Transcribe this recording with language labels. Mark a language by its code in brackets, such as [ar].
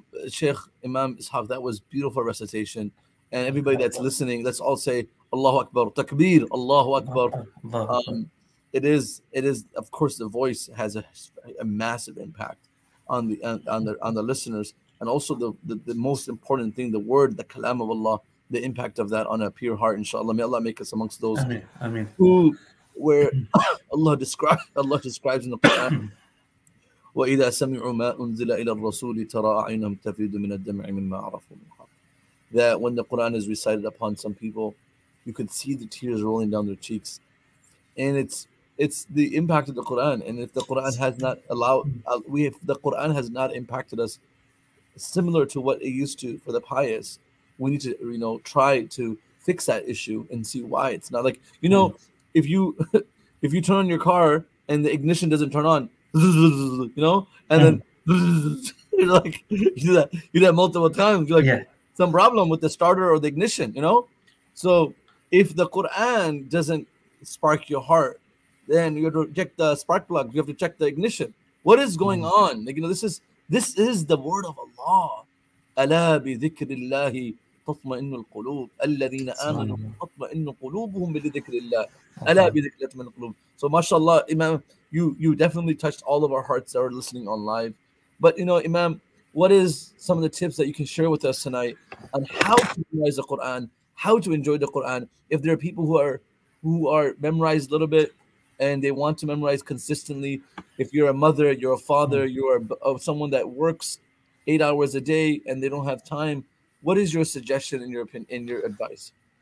[en] Sheikh Imam Ishaaq, that was beautiful recitation. And everybody that's listening, let's all say Allahu Akbar. Takbir, Allahu Akbar. It is, of course, the voice has a massive impact on the listeners. And also the most important thing, the word, the kalam of Allah, the impact of that on a pure heart, inshallah. May Allah make us amongst those who, where Allah describes in the Quran, [ar] وَإِذَا سَمِعُوا مَا أُنزِلَ إِلَى الرَّسُولِ تَرَى أَعْيُنَهُمْ تَفِيدُ مِنَ الدَّمْعِ مِمَّا عَرَفُوا مِنْ حَقٍّ. [en] That when the Quran is recited upon some people, you could see the tears rolling down their cheeks. And it's the impact of the Quran. And if the Quran has not allowed, if the Quran has not impacted us similar to what it used to for the pious, we need to, you know, try to fix that issue and see why it's not. Like, you know, if you turn on your car and the ignition doesn't turn on, you know, and then you're like, you do that multiple times, you're like, some problem with the starter or the ignition, you know. So if the Quran doesn't spark your heart. Then you have to check the spark plug. You have to check the ignition. What is going on? Like, you know, this is the word of Allah. [ar] ألا بذكر الله تطمئن القلوب الذين آمنوا تطمئن قلوبهم بذكر الله ألا بذكر تطمئن القلوب. [en] So mashallah, Imam, you definitely touched all of our hearts that are listening on live. But you know, Imam, what is some of the tips that you can share with us tonight on how to memorize the Quran, how to enjoy the Quran? If there are people who are memorized a little bit and they want to memorize consistently, if you're a mother, you're a father, you're someone that works 8 hours a day and they don't have time, what is your suggestion in your opinion, in your advice?